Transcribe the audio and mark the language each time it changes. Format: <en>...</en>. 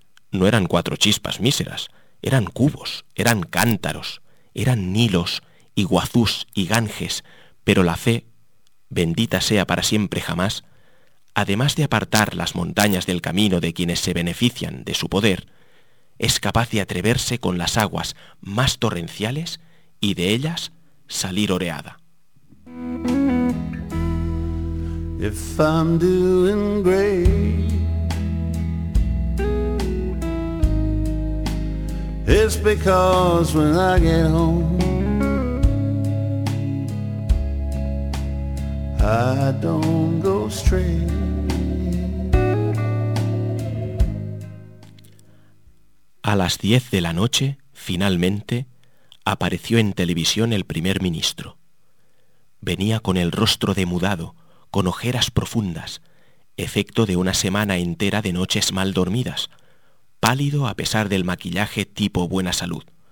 <es>No eran cuatro chispas míseras. Eran cubos, eran cántaros, eran nilos, iguazús y ganges, pero la fe, bendita sea para siempre jamás, además de apartar las montañas del camino de quienes se benefician de su poder, es capaz de atreverse con las aguas más torrenciales y de ellas salir oreada.</es> <en>If I'm doing great, it's because when I get home, I don't go straight.</en> <es>A las 10 de la noche, finalmente, apareció en televisión el primer ministro. Venía con el rostro demudado, con ojeras profundas, efecto de una semana entera de noches mal dormidas, pálido a pesar del maquillaje tipo buena salud.</es>